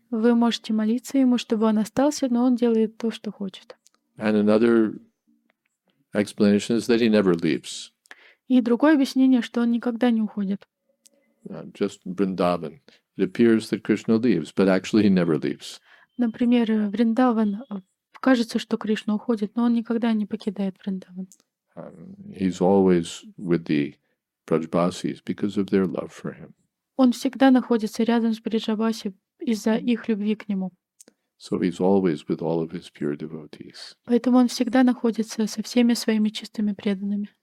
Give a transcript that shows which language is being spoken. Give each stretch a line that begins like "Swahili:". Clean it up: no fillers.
Russian: Вы можете молиться ему, чтобы он остался, но он делает то, что хочет.
English: And another explanation is that he never leaves.
Russian: И другое объяснение, что он никогда не уходит.
English: Just Vrindavan. It appears that Krishna leaves, but actually he never leaves.
Russian: Например, Вриндаван. Кажется, что Кришна уходит, но он никогда не покидает Вриндаван.
English: He's always with the Праджбасис because of their love for him.
Russian: Он всегда находится рядом с Праджбаси из-за их любви к нему.
English: So he's always with all of his pure devotees.
Russian: Поэтому он всегда находится со всеми своими чистыми преданными.